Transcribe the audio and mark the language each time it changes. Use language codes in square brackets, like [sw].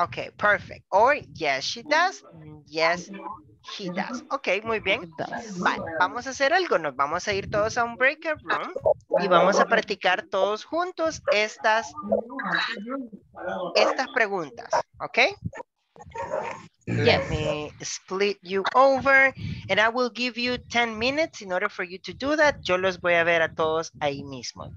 [en] Okay, perfect. Or yes, she does. Yes, he does. Okay, [es] muy bien. Vale, vamos a hacer algo. Nos vamos a ir todos a un breakout room y vamos a practicar todos juntos estas preguntas. [en] Okay. Let me split you over and I will give you 10 minutes in order for you to do that. [es] Yo los voy a ver a todos ahí mismo.